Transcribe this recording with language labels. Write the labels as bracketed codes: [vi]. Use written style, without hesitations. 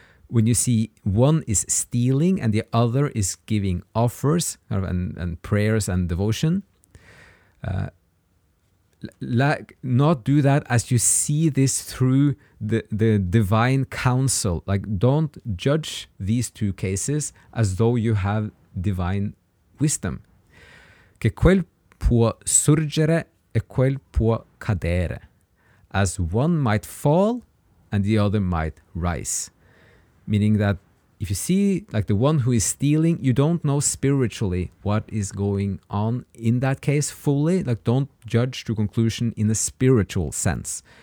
[en] When you see one is stealing and the other is giving offers and prayers and devotion, not do that as you see this through the divine counsel. Like, don't judge these two cases as though you have divine wisdom. [it] Che quel può sorgere e quel può cadere. [en] As one might fall and the other might rise. Meaning that if you see like the one who is stealing, you don't know spiritually what is going on in that case fully. Like, don't judge to conclusion in a spiritual sense.